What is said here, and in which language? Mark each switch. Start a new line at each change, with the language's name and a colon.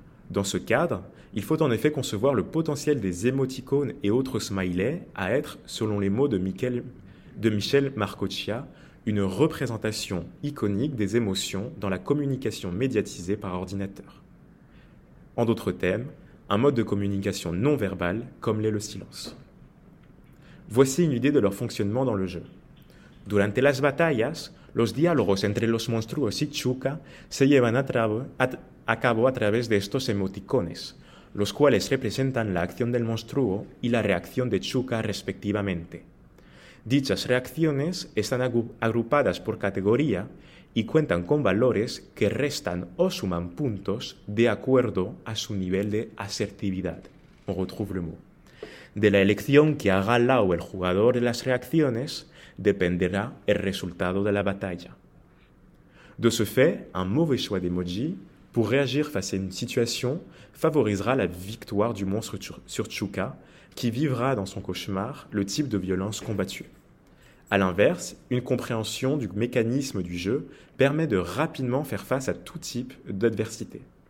French: Dans ce cadre, il faut en effet concevoir le potentiel des émoticônes et autres smileys à être, selon les mots de Michel Marcoccia, une représentation iconique des émotions dans la communication médiatisée par ordinateur. En d'autres termes, un mode de communication non verbal comme l'est le silence. Voici une idée de leur fonctionnement dans le jeu.
Spanish: Durante las batallas, los diálogos entre los monstruos y Chuka se llevan a cabo a través de estos emoticones, los cuales representan la acción del monstruo y la reacción de Chuka respectivamente. Dichas reacciones están agrupadas por categoría y cuentan con valores que restan o suman puntos de acuerdo a su nivel de asertividad.
French: On retrouve le mot.
Spanish: De la elección que haga Lau el jugador de las reacciones dependerá el resultado de la batalla.
French: De ce fait, un mauvais choix d'emoji pour réagir face à une situation favorisera la victoire du monstre sur Chuka qui vivra dans son cauchemar le type de violence combattue. A l'inverse, une compréhension du mécanisme du jeu permet de rapidement faire face à tout type d'adversité.